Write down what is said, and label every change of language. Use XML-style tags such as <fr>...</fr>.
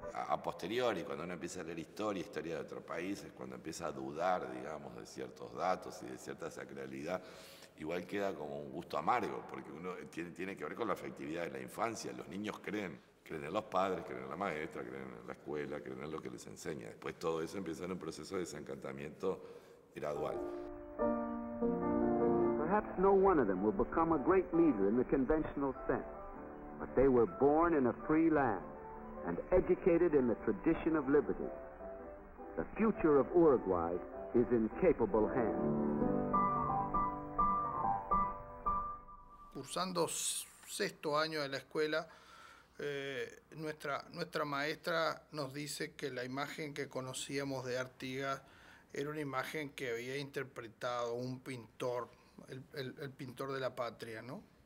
<es>A posteriori, cuando uno empieza a leer historia, historia de otro país, es cuando empieza a dudar, digamos, de ciertos datos y de cierta sacralidad. Igual queda como un gusto amargo, porque uno tiene que ver con la afectividad de la infancia. Los niños creen en los padres, creen en la maestra, creen en la escuela, creen en lo que les enseña. Después todo eso empieza en un proceso de desencantamiento gradual.</es> <en>Perhaps no one of them will become a great leader in the conventional sense, but they were born in a free land, and educated in the tradition of liberty. The future of Uruguay is in capable hands.</en> <es>Cursando sexto año de la escuela, nuestra maestra nos dice que la imagen que conocíamos de Artigas era una imagen que había interpretado un pintor, el pintor de la patria, ¿no?</es>